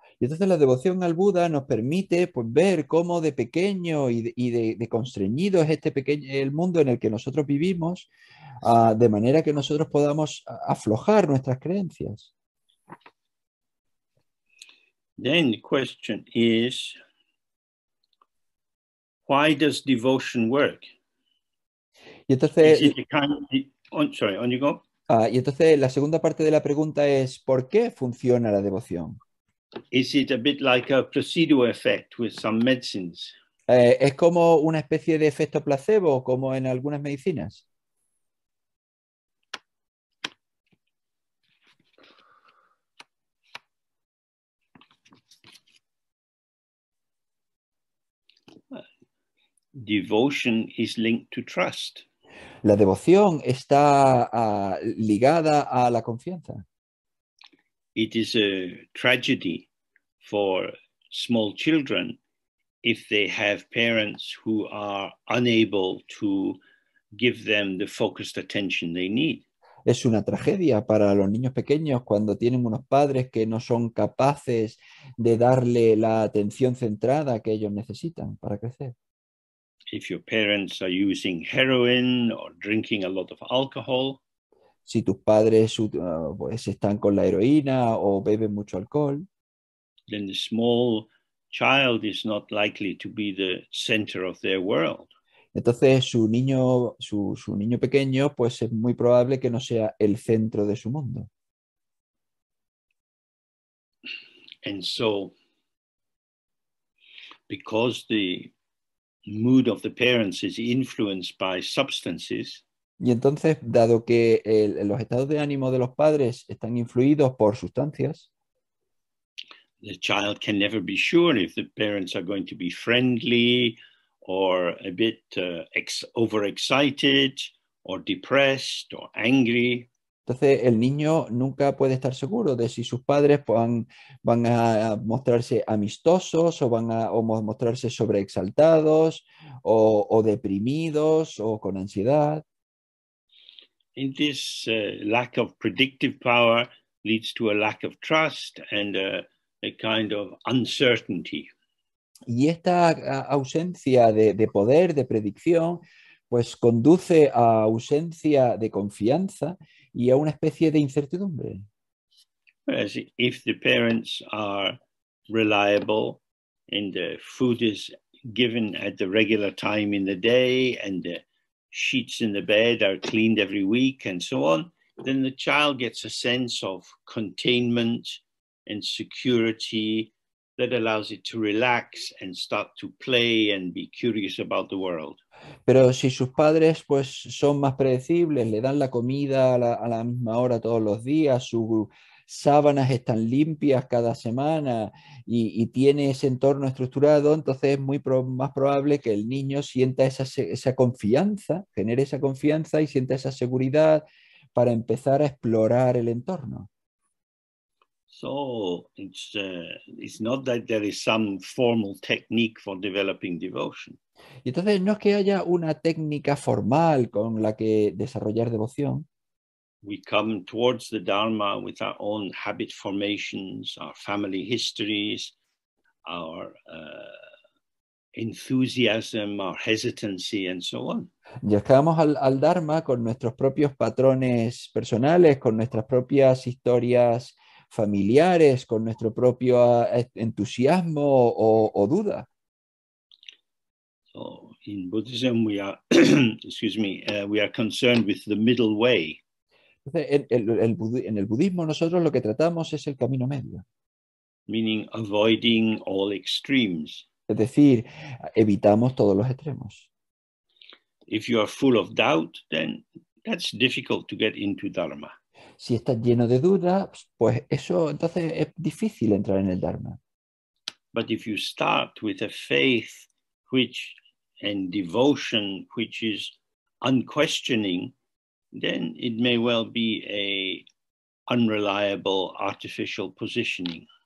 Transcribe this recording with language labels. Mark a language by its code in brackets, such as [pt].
[es] Y entonces la devoción al Buda nos permite pues, ver cómo de pequeño y de constreñido es este pequeño el mundo en el que nosotros vivimos, de manera que nosotros podamos aflojar nuestras creencias. [en] Then the question is, why does devotion work? [es] Y entonces, y entonces la segunda parte de la pregunta es, ¿por qué funciona la devoción? [en] Is it a bit like a placebo effect with some medicines? [es] Es como una especie de efecto placebo, como en algunas medicinas. [en] Devotion is linked to trust. [es] La devoción está ligada a la confianza. [en] It is a tragedy for small children if they have parents who are unable to give them the focused attention they need. [es] Es una tragedia para los niños pequeños cuando tienen unos padres que no son capaces de darle la atención centrada que ellos necesitan para crecer. [en] If your parents are using heroin or drinking a lot of alcohol, [es] si tus padres pues están con la heroína o beben mucho alcohol, [en] then the small child is not likely to be the center of their world. [es] Entonces su niño pequeño pues es muy probable que no sea el centro de su mundo. [en] And so because the mood of the parents is influenced by substances. [es] Y entonces, dado que los estados de ánimo de los padres están influidos por sustancias, [en] the child can never be sure if the parents are going to be friendly or a bit overexcited or depressed or angry. [es] Entonces, el niño nunca puede estar seguro de si sus padres van a mostrarse amistosos o mostrarse sobreexaltados o deprimidos o con ansiedad. [en] In this lack of predictive power leads to a lack of trust and a kind of uncertainty. [es] Y esta ausencia de poder, de predicción, pues conduce a ausencia de confianza y a una especie de incertidumbre. [en] Whereas if the parents are reliable and the food is given at the regular time in the day and the sheets in the bed are cleaned every week and so on, then the child gets a sense of containment and security that allows it to relax and start to play and be curious about the world. [es] Pero si sus padres pues son más predecibles, le dan la comida a la misma hora todos los días, sus sábanas están limpias cada semana y tiene ese entorno estructurado, entonces es muy más probable que el niño sienta esa confianza, genere esa confianza y sienta esa seguridad para empezar a explorar el entorno. [en] So it's not that there is some formal technique for developing devotion. [es] Y entonces no es que haya una técnica formal con la que desarrollar devoción. [en] We come towards the Dharma with our own habit formations, our family histories, our enthusiasm, our hesitancy, and so on. [es] Llegamos al Dharma con nuestros propios patrones personales, con nuestras propias historias familiares, con nuestro propio entusiasmo o duda. [en] So in Buddhism we are, excuse me, we are concerned with the middle way. [es] En el budismo nosotros lo que tratamos es el camino medio. [en] Meaning avoiding all extremes. [es] Es decir, evitamos todos los extremos. [en] If you are full of doubt, then that's difficult to get into Dharma. [es] Si estás lleno de dudas, pues eso entonces es difícil entrar en el Dharma. [en] But if you start with a faith which and devotion which is unquestioning, then it may well be a unreliable artificial positioning.